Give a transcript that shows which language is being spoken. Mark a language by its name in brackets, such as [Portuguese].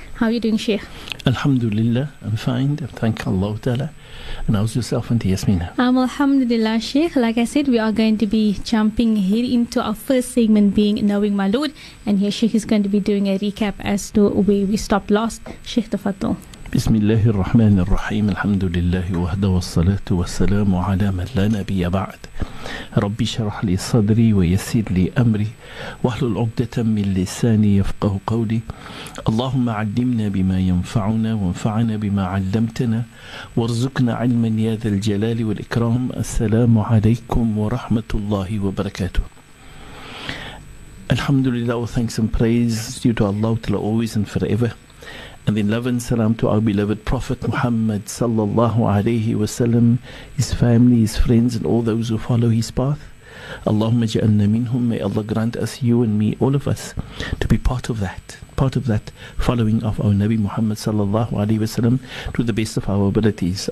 [English] How are you doing, Sheikh? Alhamdulillah, I'm fine. Thank Allah Ta'ala. And how's yourself, Auntie Yasmina? Alhamdulillah, Sheikh. Like I said, we are going to be jumping here into our first segment, being Knowing My Lord. And here, Sheikh is going to be doing a recap as to where we stopped last. Sheikh Tafatul. [Arabic] بسم الله الرحمن الرحيم الحمد لله وحده والصلاة والسلام على من لا نبي بعد ربي شرح لي صدري ويسر لي أمري واحلل عقدة من لساني يفقه قولي اللهم علمنا بما ينفعنا وانفعنا بما علمتنا وارزقنا علما يا ذا الجلال والإكرام السلام عليكم ورحمة الله وبركاته. الحمد لله [English] thanks and praise due to Allah till always and forever. And then love and salam to our beloved Prophet Muhammad sallallahu alayhi wa sallam, his family, his friends, and all those who follow his path. [Arabic] Allahumma ja'alna minhum, [English] may Allah grant us, you and me, all of us, to be part of that following of our Nabi Muhammad sallallahu alayhi wa sallam to the best of our abilities.